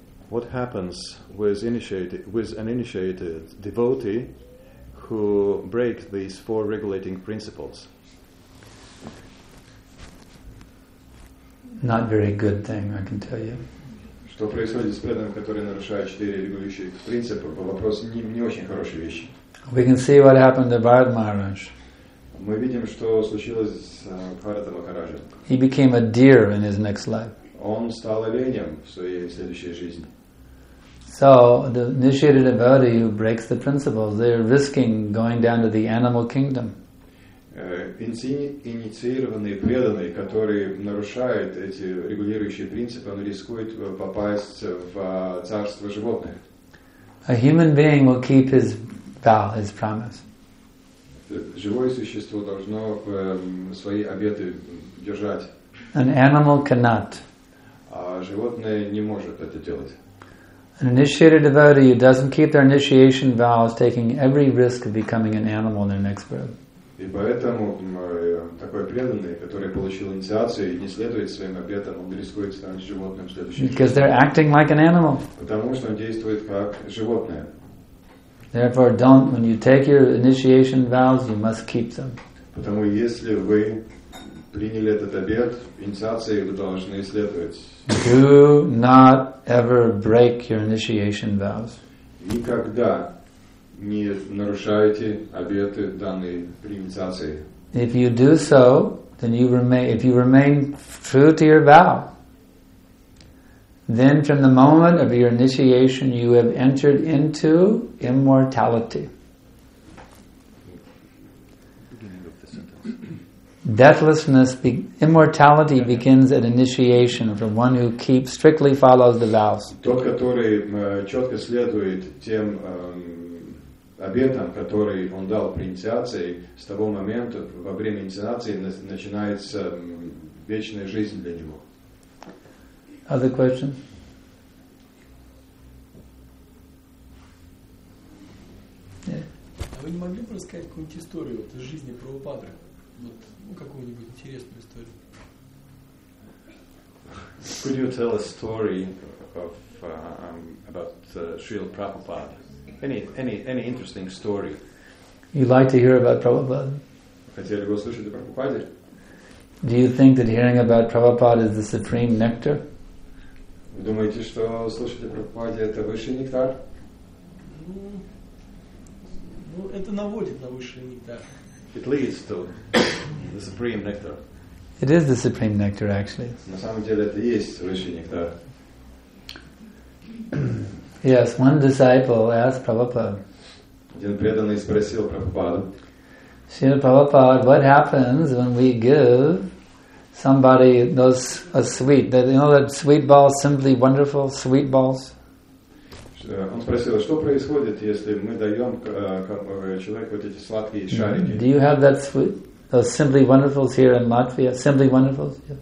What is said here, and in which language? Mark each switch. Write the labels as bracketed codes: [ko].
[en] What happens with an initiated devotee who break these four regulating principles? Not very good thing, I can tell you. [ru] Что происходит с преданным, который нарушает четыре регулирующих принципа? Вопрос не очень хорошая вещь. [en] We can see what happened to Bharat Maharaj. [ru] Мы видим, что случилось с Бхарата Махараджа. [en] He became a deer in his next life. [ru] Он стал оленем в своей следующей жизни. [en] So the initiated devotee who breaks the principles, they are risking going down to the animal kingdom. [ru] Инициированные преданные, которые нарушают эти регулирующие принципы, они рискуют попасть в царство животных. [en] A human being will keep his vow, his promise. [ru] Живое существо должно свои обеты держать. [en] An animal cannot. [ru] А животное не может это делать. [en] An initiated devotee who doesn't keep their initiation vow is taking every risk of becoming an animal in their next birth. [ru] И поэтому такой преданный, который получил инициацию и не следует своим обетам, он рискует стать животным в следующем. [en] Because they're acting like an animal. [ru] Потому что он действует как животное. [en] Therefore, don't. When you take your initiation vows, you must keep them. [ru] Потому если вы приняли этот обет, инициации вы должны следовать. [en] Do not ever break your initiation vows. [ru] Никогда не нарушайте обеты данной при инициации. [en] If you do so, then you remain. If you remain true to your vow, then from the moment of your initiation, you have entered into immortality. Deathlessness, immortality begins at initiation for one who keeps strictly follows the vows. [ru] Тот, который четко следует тем обетам, которые он дал при инициации, с того момента во время инициации начинается вечная жизнь для него. [en] Other question? [ru] А вы не могли бы рассказать какую-нибудь историю из жизни Прабхупады? Какую-нибудь интересную историю. [en] Could you tell a story of about Srila Prabhupada? Any interesting story? You'd like to hear about Prabhupada? [ru] Хотели бы услышать о Прабхупаде? [en] Do you think that hearing about Prabhupada is the supreme nectar? [ru] Вы думаете, что слушать о Прабхупаде это высший нектар? Ну, это наводит на высший нектар. [en] It leads to the supreme nectar. It is the supreme nectar, actually. [ru] На самом деле это есть высший нектар. [en] Yes, one disciple asked Prabhupada. [ru] Один преданный спросил Прабхупаду. [en] Srila Prabhupada, what happens when we give somebody a sweet? You know that sweet ball, simply wonderful sweet balls? [ru] Он спросил, что происходит, если мы даем человеку вот эти сладкие шарики? [en] Do you have that sweet? Those simply wonderfuls here in Latvia, simply wonderfuls.